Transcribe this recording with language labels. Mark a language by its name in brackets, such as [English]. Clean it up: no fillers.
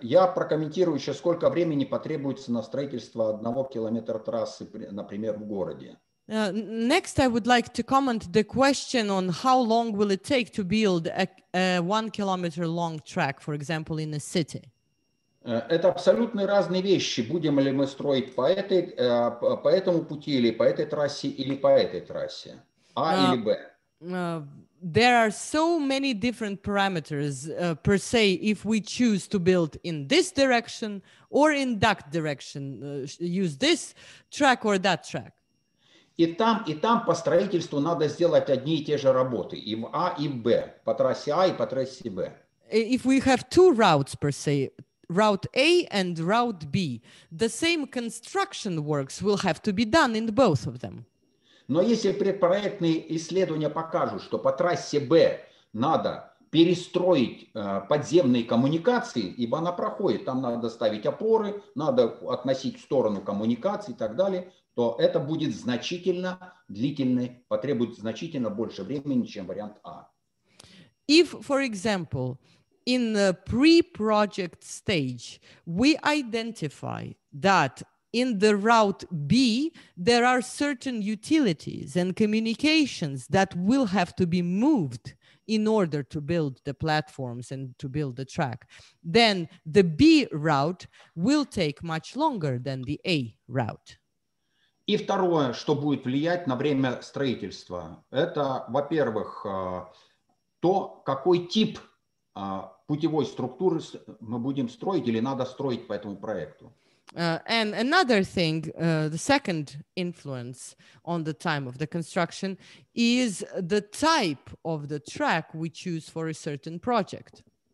[Russian] Я прокомментирую еще, сколько времени потребуется на строительство одного километра трассы, например, в городе. [English] Next, I would like to comment the question on how long will it take to build a 1 kilometer long track, for example, in a city. [Russian] Это абсолютно разные вещи, будем ли мы строить по этому пути, или по этой трассе, или по этой трассе, А или Б. [English] There are so many different parameters, per se, if we choose to build in this direction or in that direction, use this track or that track. [Russian] И там по строительству надо сделать одни и те же работы, и в А, и в Б, по трассе А и по трассе Б. [English] If we have two routes, per se, route A and route B, the same construction works will have to be done in both of them. [Russian] Но если предпроектные исследования покажут, что по трассе Б надо перестроить подземные коммуникации, ибо она проходит, там надо ставить опоры, надо относить в сторону коммуникации и так далее, то это будет значительно длительный, потребует значительно больше времени, чем вариант А. [English] If, for example, in the pre-project stage, we identify that in the route B, there are certain utilities and communications that will have to be moved in order to build the platforms and to build the track, then the B route will take much longer than the A route. [Russian] И второе, что будет влиять на время строительства, это, во-первых, то, какой тип путевой структуры мы будем строить или надо строить по этому проекту. [English] And another thing, the second influence on the time of the construction is the type of the track we choose for a certain project.